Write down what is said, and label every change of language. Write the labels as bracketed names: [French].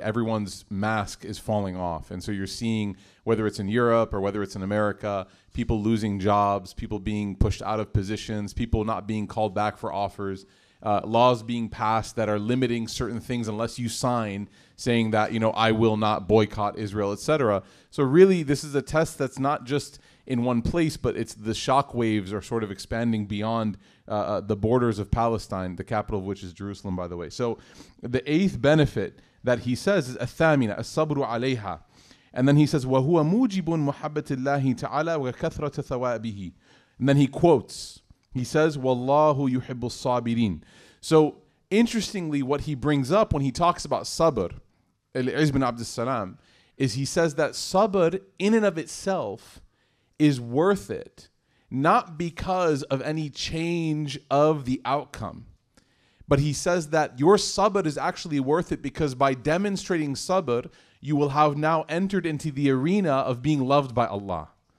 [English] Everyone's mask is falling off. And so you're seeing, whether it's in Europe or whether it's in America, people losing jobs, people being pushed out of positions, people not being called back for offers, laws being passed that are limiting certain things unless you sign, saying that, you know, I will not boycott Israel, etc. So really, this is a test that's not just in one place, but it's the shock waves are sort of expanding beyond the borders of Palestine, the capital of which is Jerusalem, by the way. So the eighth benefit that he says is [Arabic] الثامنة الصبر عليها. [English] And then he says [Arabic] وهو موجب محبة الله تعالى وكثرة ثوابه. [English] And then he quotes, he says [Arabic] والله يحب الصابرين. [English] So interestingly, what he brings up when he talks about sabr, العز بن عبد السلام, is he says that sabr in and of itself is worth it, not because of any change of the outcome, but he says that your sabr is actually worth it because by demonstrating sabr, you will have now entered into the arena of being loved by Allah.